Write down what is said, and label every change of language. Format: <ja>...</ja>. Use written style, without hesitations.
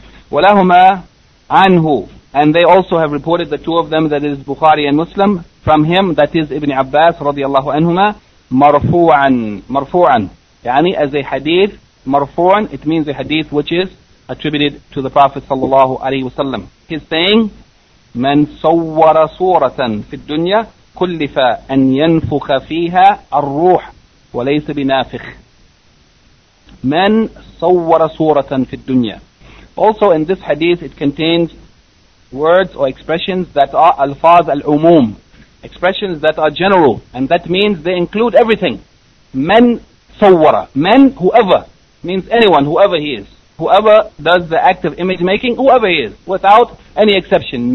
<ar>وَلَهُمَا عَنْهُ.</ar> <en>And they also have reported, the two of them, that is Bukhari and Muslim, from him, that is Ibn Abbas radiallahu anhuma, مَرْفُوعًا.</en> <ar>مَرْفُوعًا. يعني</ar> <en>as a hadith, مَرْفُوعًا, it means a hadith which is attributed to the Prophet sallallahu alayhi wa sallam. He's saying,</en> <ar>مَنْ صَوَّرَ صُورَةً فِي الدُّنْيَا كُلِّفَ أَنْ يَنْفُخَ فِيهَا الرُّوحِ وَلَيْسَ بِنَافِخِ. مَنْ صَوَّرَ صُورَةً فِي الدُّنْيَا.</ar> <en>Also in this hadith it contains words or expressions that are alfaz al-umum, expressions that are general, and that means they include everything. Man sawwara, man, whoever, means anyone, whoever he is, whoever does the act of image making, whoever he is, without any exception.</en>